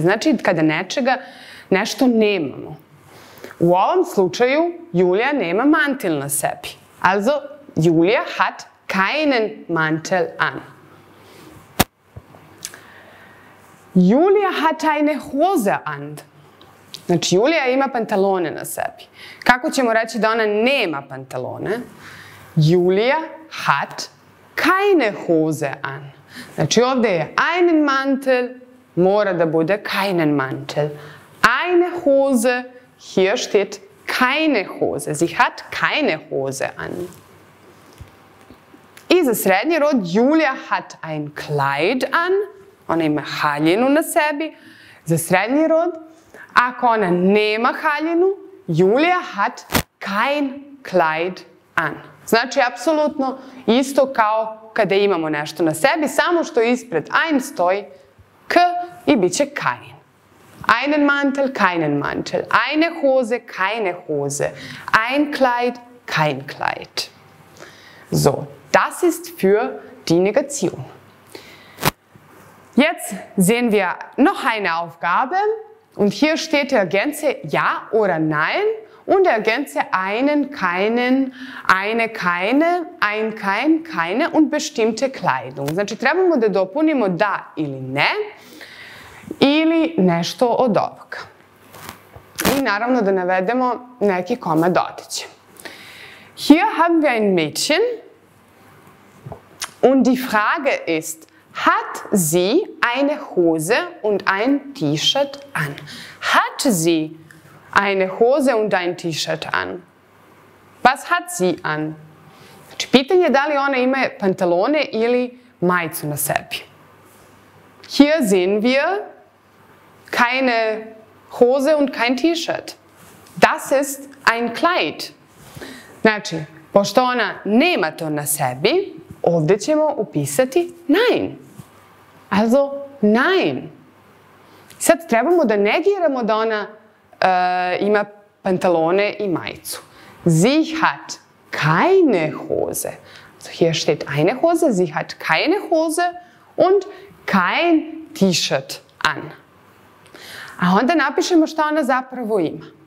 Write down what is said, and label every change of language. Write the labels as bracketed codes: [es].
[sr] Znači, kada nečega, nešto nemamo. U ovom slučaju, Julia nema mantel na sebi. [de] Also, Julia hat keinen Mantel an. Julia hat eine Hose an. [sr] Znači, Julia ima pantalone na sebi. Kako ćemo reći da ona nema pantalone? [de] Julia hat keine Hose an. [sr] Znači, ovdje je einen Mantel, mora da bude keinen Mantel. [de] Eine Hose, hier steht keine Hose. Sie hat keine Hose an. [sr] I za srednji rod, [de] Julia hat ein Kleid an. [sr] Ona ima haljinu na sebi. Za srednji rod, ako ona nema haljinu, [de] Julia hat kein Kleid an. [sr] Znači, apsolutno isto kao kada imamo nešto na sebi, samo što ispred ein stoji k i bit će kein. [de] Einen Mantel, keinen Mantel. Eine Hose, keine Hose. Ein Kleid, kein Kleid. So, das ist für die Negation. Jetzt sehen wir noch eine Aufgabe. Und hier steht, ergänze ja oder nein. Und ergänze einen, keinen, eine, keine, ein, kein, keine und bestimmte Kleidung. [sr] Znači, trebamo da dopunimo da ili ne, ili nešto od ovoga. I naravno da navedemo neki komad odeće. [de] Hier haben wir ein Mädchen. Und die Frage ist, hat sie eine Hose und ein T-Shirt an? Hat sie eine Hose und ein T-Shirt an? Was hat sie an? [sr] Znači, pitanje je da li ona ima pantalone ili majicu na sebi. [de] Hier sehen wir keine Hose und kein T-Shirt. Das ist ein Kleid. [sr] Znači, pošto ona nema to na sebi, ovdje ćemo upisati nein. [de] Also, nein. [sr] Sad trebamo da negiramo da ona ima pantalone i majicu. [de] Sie hat keine Hose. Also hier steht eine Hose, sie hat keine Hose und kein T-Shirt an. [sr] A onda napišemo šta ona zapravo ima.